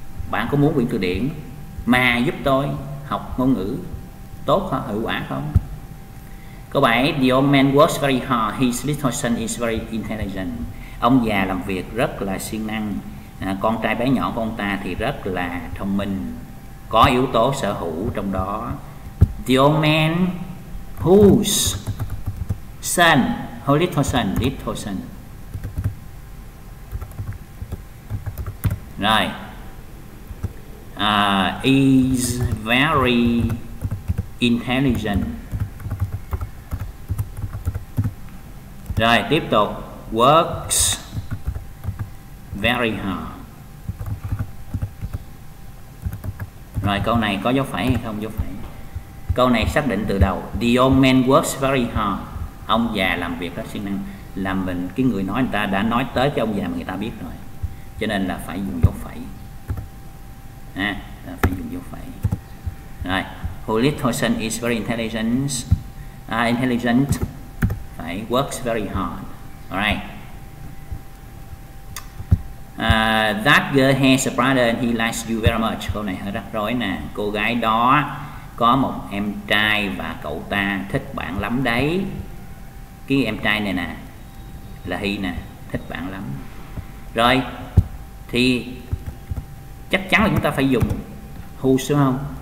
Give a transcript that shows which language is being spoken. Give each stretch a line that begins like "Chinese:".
Vietnamese: Bạn có muốn quyển từ điển mà giúp tôi học ngôn ngữ tốt hơn, hiệu quả không? Câu 7,
English: the old man works very hard. His little son is very intelligent.
Vietnamese: Ông già làm việc rất là siêng năng. Con trai bé nhỏ của ông ta thì rất là thông minh. Có yếu tố sở hữu trong đó.
English: The old man whose son, whose little son.
Vietnamese: Rồi.
English: Is very intelligent.
Vietnamese: Rồi, tiếp tục.
English: Works very hard.
Vietnamese: Rồi, câu này có dấu phẩy hay không? Dấu phẩy. Câu này xác định từ đầu.
English: The old man works very hard.
Vietnamese: Ông già làm việc rất siêng năng. Làm mình, cái người nói người ta đã nói tới cái ông già mà người ta biết rồi. Cho nên là phải dùng dấu phẩy. À, là phải dùng dấu phẩy. Rồi,
English: her little son is very intelligent. Intelligent.
Vietnamese: Phải,
English: works very hard. Alright. That girl has a brother and he likes you very much.
Vietnamese: Câu này hơi rắc rối nè. Cô gái đó có một em trai và cậu ta thích bạn lắm đấy. cái em trai này nè là Hy nè, thích bạn lắm. Rồi thì chắc chắn là chúng ta phải dùng who, đúng không?